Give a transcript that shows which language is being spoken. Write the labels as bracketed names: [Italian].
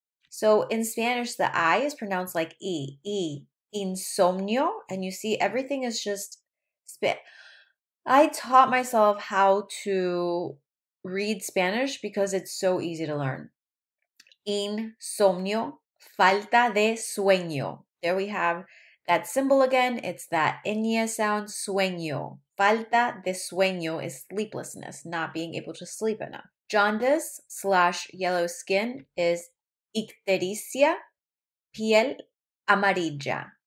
[English] So in Spanish, the I is pronounced like E, E, insomnio. And you see, everything is just spit. I taught myself how to read Spanish because it's so easy to learn. [Spanish] Insomnio, falta de sueño. [English] There we have that symbol again. It's that ñe sound, sueño. [Spanish] Falta de sueño [English] is sleeplessness, not being able to sleep enough. Jaundice / yellow skin is [Spanish] ictericia, piel amarilla.